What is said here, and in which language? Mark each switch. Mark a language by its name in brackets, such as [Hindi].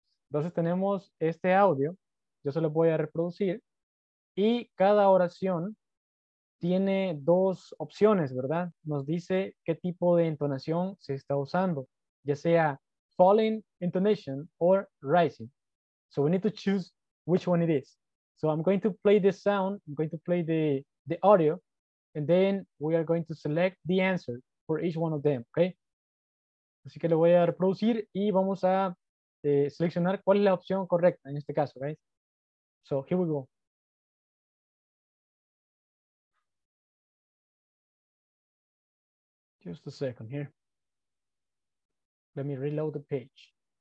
[Spanish] Entonces tenemos este audio. Yo se lo voy a reproducir. Y cada oración tiene dos opciones, ¿verdad? Nos dice qué tipo de entonación se está usando, ya sea [English] falling intonation or rising. So we need to choose which one it is. So I'm going to play the sound, I'm going to play the audio, and then we are going to select the answer for each one of them, okay? [Spanish] Así que lo voy a reproducir y vamos a seleccionar cuál es la opción correcta en este caso, right? [English] So here we go. Just a second here. Let me reload the page.